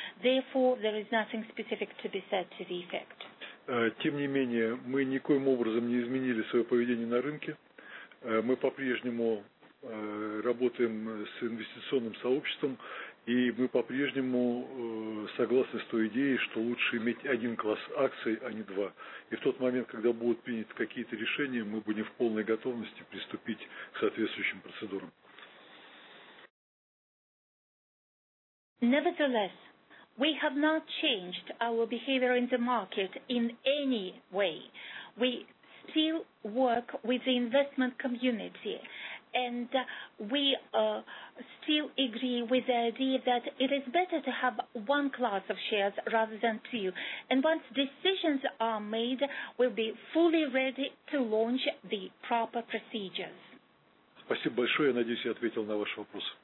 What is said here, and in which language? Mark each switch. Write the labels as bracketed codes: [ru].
[en] Therefore, there is nothing specific to be said to the effect. [ru] Тем не менее, мы никоим образом не изменили свое поведение на рынке. Мы по-прежнему работаем с инвестиционным сообществом, и мы по-прежнему согласны с той идеей, что лучше иметь один класс акций, а не два. И в тот момент, когда будут приняты какие-то решения, мы будем в полной готовности приступить к соответствующим процедурам. [en] Nevertheless, we have not changed our behavior in the market in any way. We still work with the investment community. And we still agree with the idea that it is better to have one class of shares rather than two. And once decisions are made, we'll be fully ready to launch the proper procedures. [ru] Спасибо большое. Я надеюсь, я ответил на ваш вопрос.